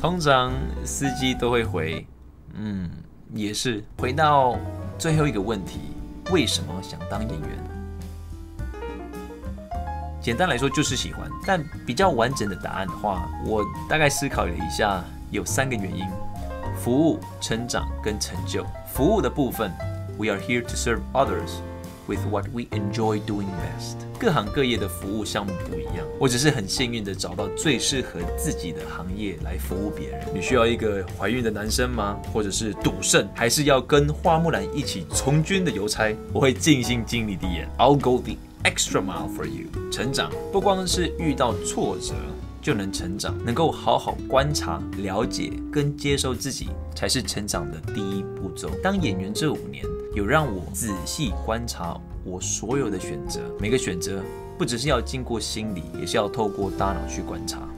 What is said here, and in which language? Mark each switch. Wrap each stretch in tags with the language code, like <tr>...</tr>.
<zh>通常司机都会回：“嗯，也是。” 回到最后一个问题，为什么想当演员？简单来说就是喜欢，但比较完整的答案的话，我大概思考了一下，有3个原因：服务、成长跟成就。服务的部分</zh> <en>，We are here to serve others with what we enjoy doing best。</en> <zh>各行各业的服务项目不一样，我只是很幸运的找到最适合自己的行业来服务别人。你需要一个怀孕的男生吗？或者是赌圣？还是要跟花木兰一起从军的邮差？我会尽心尽力的演</zh> <en>，I'll go the extra mile for you。</en> <zh>成长不光是遇到挫折就能成长，能够好好观察、了解跟接受自己，才是成长的第一步骤。当演员这5年，有让我仔细观察我所有的选择，每个选择不只是要经过心理，也是要透过大脑去观察。</zh>